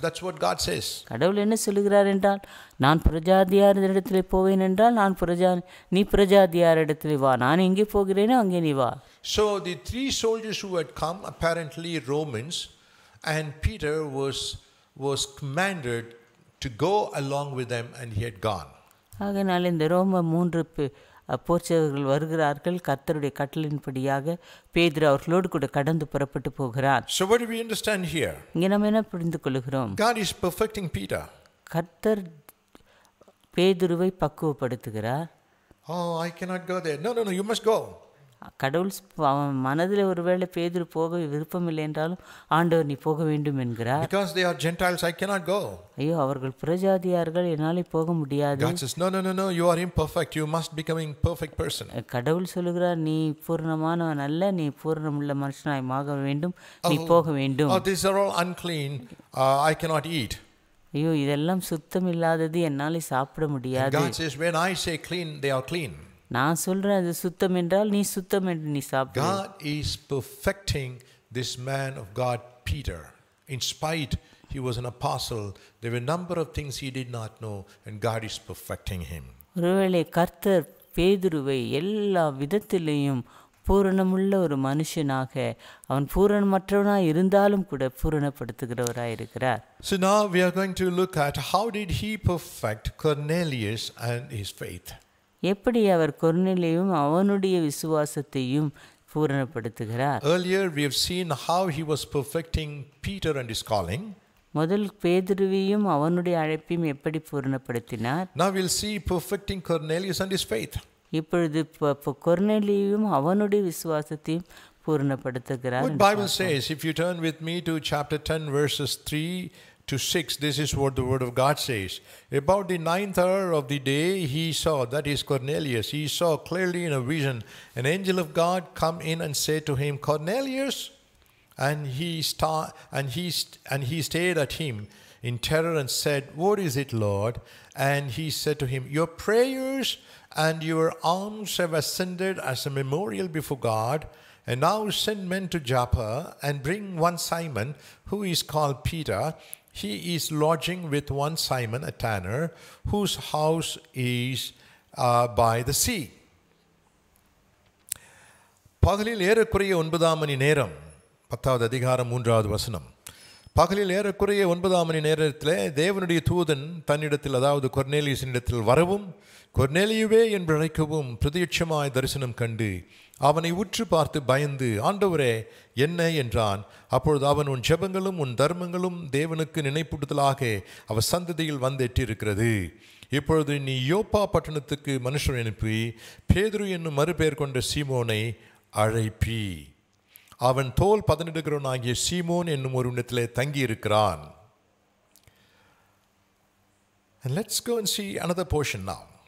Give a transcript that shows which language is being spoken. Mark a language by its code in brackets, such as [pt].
[en] That's what God says. [ta] கடவுள் என்ன சொல்கிறார் என்றால், நான் புறஜாதியாரிடத்தில் போவேன் என்றால் நீ புறஜாதியாரிடத்தில் வா, நான் எங்கே போகிறேனோ அங்கே நீ வா. [en] So the three soldiers who had come, apparently Romans, and Peter was was commanded to go along with them and he had gone. [ta] அதனால் இந்த ரோம மூன்று போர்ச்சவர்கள் வருகிறார்கள் கர்த்தருடைய கட்டளையின்படியாக பேதுரு அவர்களோடு கூட கடந்து புறப்பட்டு போகிறார். [en] So what do we understand here? [ta] இங்கே நாம் என்ன புரிந்து கொள்கிறோம்? [en] God is perfecting Peter. [ta] கர்த்தர் பேதுருவை பக்குவப்படுத்துகிறார். [en] Oh, I cannot go there. No, you must go. [ta] கடவுள் அவன் மனதில் ஒருவேளை பேதுரு போக விருப்பமில்லை என்றாலும் ஆண்டவர் நீ போக வேண்டும் என்கிறார். [en] Because they are Gentiles, I cannot go. [ta] ஐயோ, அவர்கள் புறஜாதியார்கள், என்னால் போக முடியாது. [en] God says, no, you are imperfect, you must becoming perfect person. [ta] கடவுள் சொல்கிறார், நீ பூரணமானவன் அல்ல, நீ பூரணமுள்ள மனுஷனாய் மாற வேண்டும், நீ போக வேண்டும். [en] Oh, these are all unclean, I cannot eat. [ta] ஐயோ, இதெல்லாம் சுத்தம் இல்லாதது, என்னால் சாப்பிட முடியாது. [en] God says, when I say clean, they are clean. [ta] நான் சொல்றேன் அது சுத்தம் என்றால் நீ சுத்தம் என்று நீ சாப்பிடு. [en] God is perfecting this man of God Peter. In spite he was an apostle, there were a number of things he did not know and God is perfecting him. [ta] ஒருவேளை கர்த்தர் பேதுருவை எல்லா விதத்திலேயும் பூரணமுள்ள ஒரு மனுஷனாக அவன் பூரணமற்றவனாக இருந்தாலும் கூட பூரணப்படுத்துகிறவராக இருக்கிறார். [en] So now we are going to look at how did he perfect Cornelius and his faith. [ta] எப்படி அவர் கொர்நேலியும் அவனுடைய விசுவாசத்தையும் பூரணப்படுத்துகிறார். [en] Earlier we have seen how he was perfecting Peter and his calling. [ta] முதல் பேதுருவையும் அவனுடைய அழைப்பையும் எப்படி பூரணப்படுத்தினார். [en] Now we'll see perfecting Cornelius and his faith. [ta] இப்பொழுது கொர்நேலியும் அவனுடைய விசுவாசத்தையும் பூரணப்படுத்துகிறார். [en] The Bible says if you turn with me to chapter 10 verses 3 to 6, this is what the word of God says. About the ninth hour of the day, he saw, that is Cornelius, he saw clearly in a vision an angel of God come in and say to him, Cornelius, and he stared at him in terror and said, what is it, Lord? And he said to him, your prayers and your alms have ascended as a memorial before God. And now send men to Joppa and bring one Simon, who is called Peter. He is lodging with one Simon, a tanner, whose house is by the sea. [ta] பகலில் ஏறக்குறைய 9 மணி நேரம், 10 அதிகாரம் 3 வசனம். பகலில் ஏறக்குறைய 9 மணி நேரத்தில் தேவனுடைய தூதன் தன்னிடத்தில், அதாவது கொர்நேலியஸினிடத்தில் வரவும், கொர்நேலியுவே என்று அழைக்கவும், பிரத்யட்சமாய் தரிசனம் கண்டு அவனை உற்று பார்த்து பயந்து, ஆண்டவரே என்ன என்றான். அப்பொழுது அவன், உன் ஜெபங்களும் உன் தர்மங்களும் தேவனுக்கு நினைப்பூட்டுதலாக அவர் சந்ததியில் வந்தெட்டியிருக்கிறது. இப்பொழுது நீ யோப்பா பட்டணத்துக்கு மனுஷன் அனுப்பி பேதுரு என்னும் மறுபெயர் கொண்ட சீமோனை அழைப்பி. அவன் தோல் பதனிடுகிறவனாகிய சீமோன் என்னும் ஒரு இடத்தில் தங்கியிருக்கிறான். [en] Let's go and see another portion now.